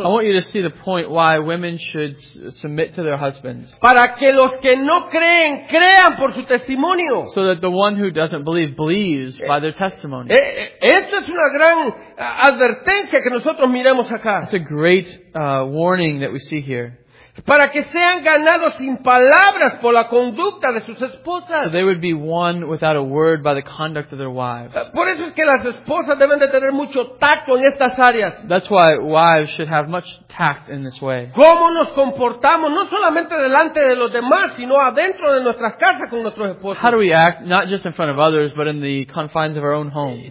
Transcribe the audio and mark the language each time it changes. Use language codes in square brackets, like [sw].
[en] I want you to see the point why women should submit to their husbands. [es] Para que los que no creen crean por su testimonio. [en] So that the one who doesn't believe believes by their testimony. [es] Esto es una gran advertencia que nosotros miremos acá. [en] It's a great warning that we see here. [es] para que sean ganados sin palabras por la conducta de sus esposas. [en] So they would be won without a word by the conduct of their wives. [es] Por eso es que las esposas deben de tener mucho tacto en estas áreas. [en] That's why wives should have much tact in this way. [es] Cómo nos comportamos, no solamente delante de los demás, sino adentro de nuestras casas con nuestros esposos. [en] How do we act, not just in front of others, but in the confines of our own home?